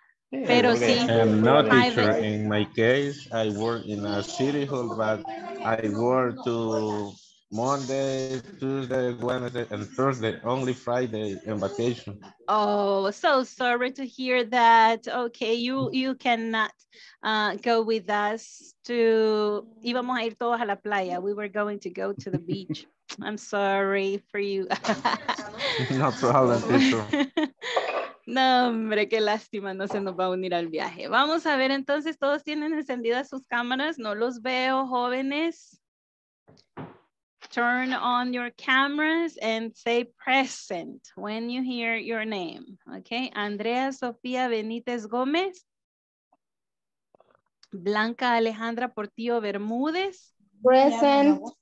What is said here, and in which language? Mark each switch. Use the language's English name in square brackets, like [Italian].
[Spanish] Pero [English] okay. Si, I'm not a teacher. In my case, I work in a city hall, but I work to Monday, Tuesday, Wednesday, and Thursday, only Friday on vacation. Oh, so sorry to hear that. Okay, you cannot go with us to, [Spanish] íbamos a ir todos a la playa. [English] We were going to go to the beach. I'm sorry for you. No problem, teacher. [Spanish] No, hombre, qué lástima, no se nos va a unir al viaje. Vamos a ver, entonces, todos tienen encendidas sus cámaras. No los veo, jóvenes. [English] Turn on your cameras and say present when you hear your name. Okay, Andrea Sofía Benítez Gómez. Blanca Alejandra Portillo Bermúdez. Present.